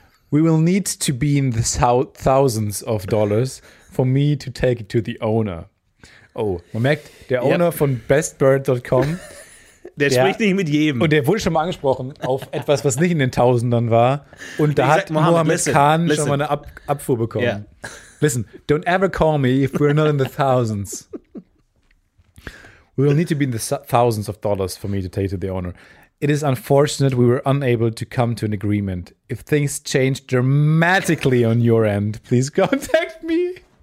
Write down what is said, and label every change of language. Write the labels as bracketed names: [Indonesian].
[English] We will need to be in the thousands of dollars for me to take it to the owner. [German] Oh, man merkt, der Owner von bestbird.com. Der spricht nicht mit jedem. Und der wurde schon mal angesprochen auf etwas, was nicht in den Tausendern war. Und da hat Mohammed Khan schon mal eine Abfuhr bekommen. [English] Yeah. Listen, don't ever call me if we're not in the thousands. We will need to be in the thousands of dollars for me to take to the owner. It is unfortunate we were unable to come to an agreement. If things change dramatically on your end, please contact me.